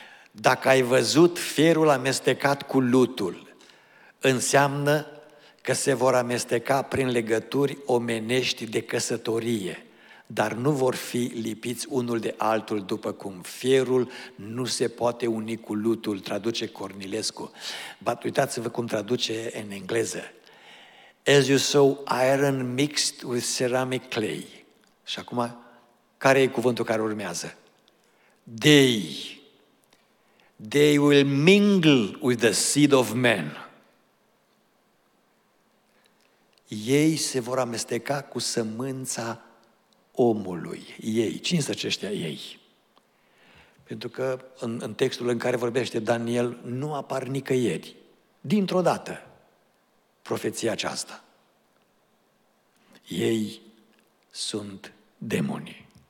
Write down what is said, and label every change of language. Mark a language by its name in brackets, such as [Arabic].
[Romanian] Dacă ai văzut fierul amestecat cu lutul, înseamnă că se vor amesteca prin legături omenești de căsătorie, dar nu vor fi lipiți unul de altul, după cum fierul nu se poate uni cu lutul, traduce Cornilescu. [English] But [Romanian] uitați-vă cum traduce în engleză. [English] As you sow iron mixed with ceramic clay. [Romanian] Și acum, care e cuvântul care urmează? [English] They will mingle with the seed of man. [Romanian] Ei se vor amesteca cu sămânța omului. Ei. Cine sunt aceștia ei? Pentru că în textul în care vorbește Daniel nu apar nicăieri. Dintr-o dată, profeția aceasta. Ei sunt demoni.